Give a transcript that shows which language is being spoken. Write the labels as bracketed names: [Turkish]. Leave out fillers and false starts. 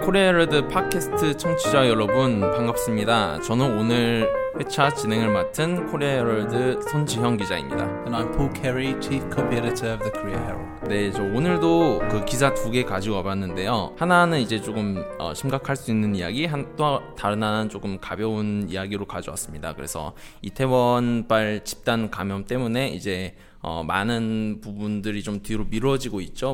[Korean] 코리아레드 팟캐스트 청취자 여러분 반갑습니다. 저는 오늘 회차 진행을 맡은 코리아레드 손지형 기자입니다. [English] And I'm Paul Carey, Chief Copy Editor of the Korea Herald. [Korean] 네, 저 오늘도 그 기사 두 개 가지고 와봤는데요. 하나는 이제 조금 심각할 수 있는 이야기, 또 다른 하나는 조금 가벼운 이야기로 가져왔습니다. 그래서 이태원발 집단 감염 때문에 이제 많은 부분들이 좀 뒤로 미뤄지고 있죠.